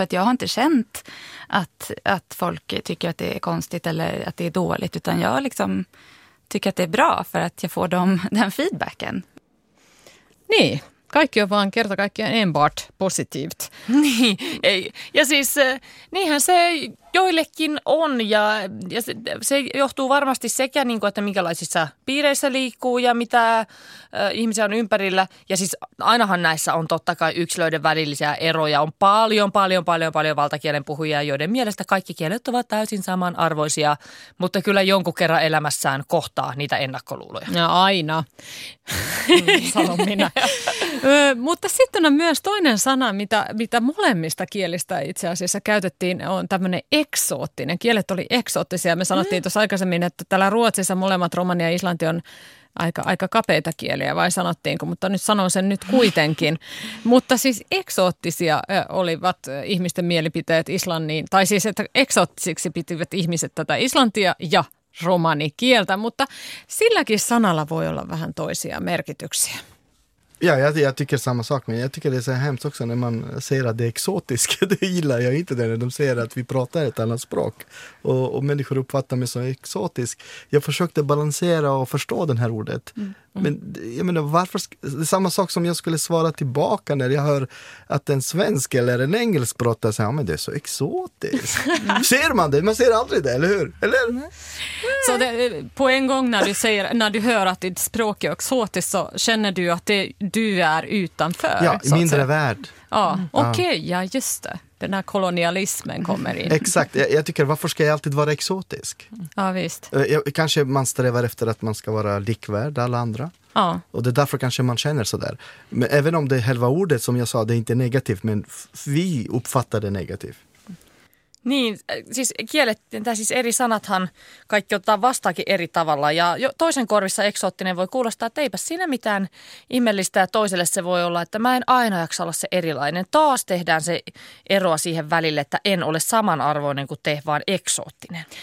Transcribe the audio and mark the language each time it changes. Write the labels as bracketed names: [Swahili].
[Swedish] För att jag har inte känt att folk tycker att det är konstigt eller att det är dåligt. Utan jag liksom tycker att det är bra för att jag får den feedbacken. [Finnish] Niin. Kaikki on vaan kerta kaikkiaan [Swedish] enbart positiivt. [Finnish] Niin, ei. Ja siis niinhän se joillekin on ja se johtuu varmasti sekä, niin kuin, että minkälaisissa piireissä liikkuu ja mitä ihmisiä on ympärillä. Ja siis ainahan näissä on totta kai yksilöiden välillisiä eroja. On paljon valtakielen puhujia, joiden mielestä kaikki kielet ovat täysin samanarvoisia, mutta kyllä jonkun kerran elämässään kohtaa niitä ennakkoluuloja. No aina, sanon minä. Mutta sitten on myös toinen sana, mitä molemmista kielistä itse asiassa käytettiin, on tämmöinen eksoottinen. Kielet oli eksoottisia. Me sanottiin tuossa aikaisemmin, että täällä Ruotsissa molemmat, romani ja islanti, on aika kapeita kieliä, vai sanottiinko, mutta nyt sanon sen nyt kuitenkin. Mutta siis eksoottisia olivat ihmisten mielipiteet islanniin, tai siis että eksoottisiksi pitivät ihmiset tätä islantia ja romani kieltä, mutta silläkin sanalla voi olla vähän toisia merkityksiä. [Swedish] Ja, jag tycker samma sak, men jag tycker det är så hemskt också när man säger att det är exotiskt. Det gillar jag inte, när de säger att vi pratar ett annat språk och människor uppfattar mig som exotisk. Jag försökte balansera och förstå det här ordet. Men jag menar, varför, det är samma sak som jag skulle svara tillbaka när jag hör att en svensk eller en engelsk pratar så här, men det är så exotiskt. Ser man det? Man ser aldrig det, eller hur? Eller? Så det, på en gång när du hör att ditt språk är exotiskt, så känner du att du är utanför. Ja, i mindre värld. Ja, okej, ja just det. Den här kolonialismen kommer in. Exakt. Jag tycker, varför ska jag alltid vara exotisk? Ja, visst. Kanske man strävar efter att man ska vara likvärd alla andra. Ja. Och det är därför kanske man känner så där. Men även om det själva ordet, som jag sa, det är inte negativt, men vi uppfattar det negativt. [Finnish] Niin, siis kielet, tai siis eri sanathan kaikki ottaa vastaakin eri tavalla. Ja toisen korvissa eksoottinen voi kuulostaa, että eipä siinä mitään ihmeellistä. Ja toiselle se voi olla, että mä en aina jaksa olla se erilainen. Taas tehdään se eroa siihen välille, että en ole samanarvoinen kuin te, vaan eksoottinen.